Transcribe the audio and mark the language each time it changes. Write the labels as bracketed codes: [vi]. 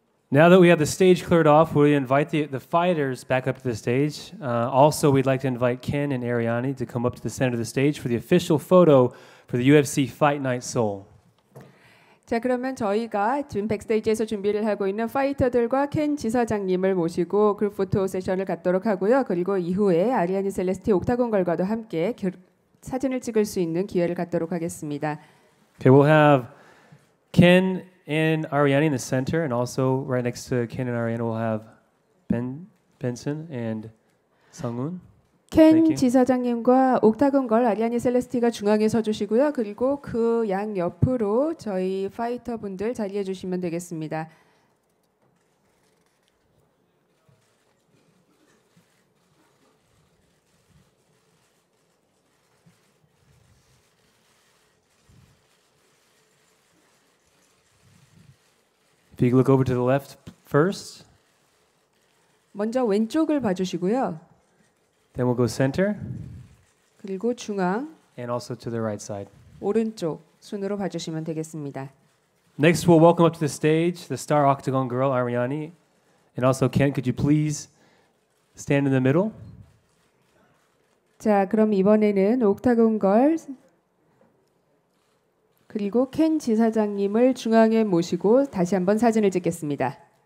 [en] Now that we have the stage cleared off, we invite the fighters back up to the stage. Also, we'd like to invite Ken and Ariane to come up to the center of the stage for the official photo for the UFC Fight Night Seoul. [ko] 자 그러면 저희가 지금 백스테이지에서 준비를 하고 있는 파이터들과 켄 지사장님을 모시고 그룹 포토 세션을 갖도록 하고요. 그리고 이후에 아리아니 셀레스티 옥타곤 걸과도 함께 사진을 찍을 수 있는 기회를 갖도록 하겠습니다. [en] Okay, we'll have Ken and Ariane in the center, and also right next to Ken and Ariane we'll have Benson and Sungwoon. [ko] 켄 지사장님과 옥타곤 걸 아리아니 셀레스티가 중앙에 서주시고요. 그리고 그 양 옆으로 저희 파이터 분들 자리해 주시면 되겠습니다. [en] If you look over to the left first. [ko] 먼저 왼쪽을 봐주시고요. [en] Then we'll go center. [ko] 그리고 중앙. [en] And also to the right side. [ko] 오른쪽 순으로 봐주시면 되겠습니다. [en] Next, we'll welcome up to the stage the star octagon girl Ariane, and also Ken. Could you please stand in the middle? [ko] 자, 그럼 이번에는 옥타곤 걸 그리고 켄 지사장님을 중앙에 모시고 다시 한번 사진을 찍겠습니다.